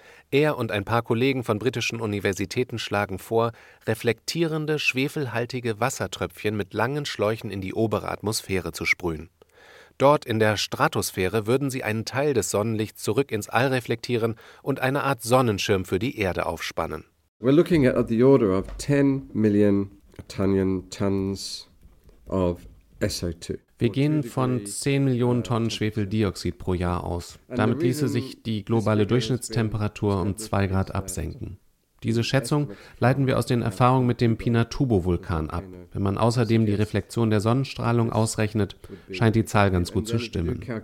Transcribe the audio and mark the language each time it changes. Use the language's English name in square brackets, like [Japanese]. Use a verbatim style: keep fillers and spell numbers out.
[German] Er und ein paar Kollegen von britischen Universitäten schlagen vor, reflektierende, schwefelhaltige Wassertröpfchen mit langen Schläuchen in die obere Atmosphäre zu sprühen. Dort in der Stratosphäre würden sie einen Teil des Sonnenlichts zurück ins All reflektieren und eine Art Sonnenschirm für die Erde aufspannen. [English] We're looking at the order of ten million Italian tons of S O two. [German] Wir gehen von zehn Millionen Tonnen Schwefeldioxid pro Jahr aus. Damit ließe sich die globale Durchschnittstemperatur um zwei Grad absenken. Diese Schätzung leiten wir aus den Erfahrungen mit dem Pinatubo-Vulkan ab. Wenn man außerdem die Reflexion der Sonnenstrahlung ausrechnet, scheint die Zahl ganz gut zu stimmen.